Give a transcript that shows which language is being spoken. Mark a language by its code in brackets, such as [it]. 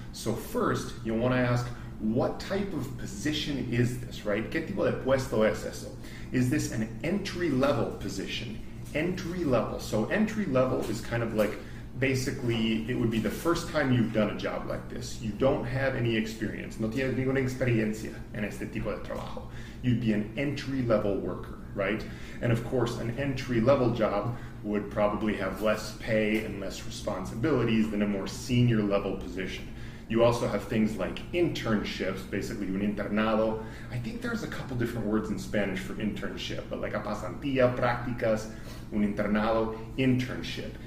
[en] So first, you'll want to ask, what type of position is this, right? [es] ¿Qué tipo de puesto es eso? [en] Is this an entry-level position? Entry-level. So entry-level is kind of like, basically, it would be the first time you've done a job like this. You don't have any experience. [es] No tienes ninguna experiencia en este tipo de trabajo. [en] You'd be an entry-level worker, right? And of course, an entry-level job would probably have less pay and less responsibilities than a more senior-level position. You also have things like internships, basically [es] un internado. [en] I think there's a couple different words in Spanish for internship, but like a [es] pasantía, prácticas, un internado, [en] internship.